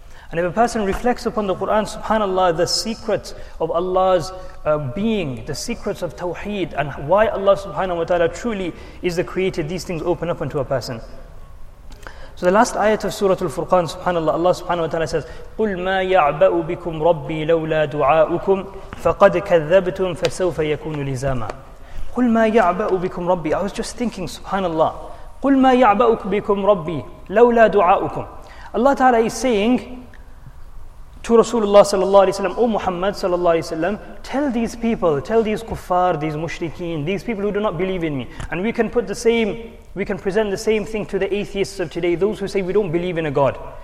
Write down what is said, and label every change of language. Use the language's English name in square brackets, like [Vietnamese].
[English] And if a person reflects upon the Qur'an, subhanAllah, the secrets of Allah's being, the secrets of Tawheed, and why Allah subhanahu wa ta'ala truly is the creator, these things open up unto a person. So the last ayat of Surah Al-Furqan, subhanAllah, Allah subhanahu wa ta'ala says, [Arabic] قُلْ مَا يَعْبَأُ بِكُمْ رَبِّي لَوْلَا دُعَاءُكُمْ فَقَدْ كَذَّبْتُمْ فَسَوْفَ يَكُونُ لِزَامًا. قُلْ مَا يَعْبَأُ بِكُمْ رَبِّي. [English] I was just thinking, subhanAllah, [Arabic] قُلْ مَا يَعْبَأُ بِكُمْ رَبِّي لَوْلَا دُعَاءُكُمْ. [English] Allah Ta'ala is saying to Rasulullah sallallahu alayhi wa sallam, O Muhammad sallallahu alayhi wa sallam, tell these people, tell these kuffar, these mushrikeen, these people who do not believe in me. And we can put the same, we can present the same thing to the atheists of today, those who say we don't believe in a God.